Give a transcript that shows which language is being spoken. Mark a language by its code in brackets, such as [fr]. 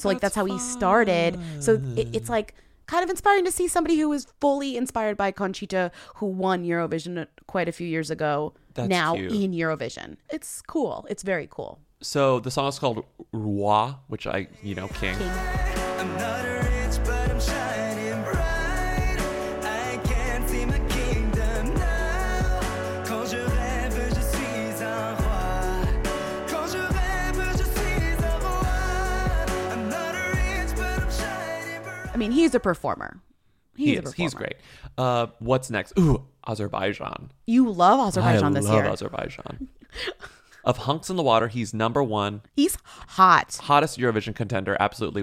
[en] So, like, that's how he started. So it's like kind of inspiring to see somebody who was fully inspired by Conchita, who won Eurovision quite a few years ago. That's now cute. In Eurovision. It's cool. It's very cool. So the song is called Roi, which I, you know, king. I'm not rich, but I'm shining bright. I can't see my kingdom now. [fr] Quand je rêve, je suis un roi. Quand je rêve, je suis un roi. [en] I'm not rich, but I'm shining bright. I mean, he's a performer. He's great. What's next? Ooh, Azerbaijan. You love Azerbaijan this year. I love Azerbaijan. Of Hunks in the Water, he's number one. He's hot. Hottest Eurovision contender, absolutely.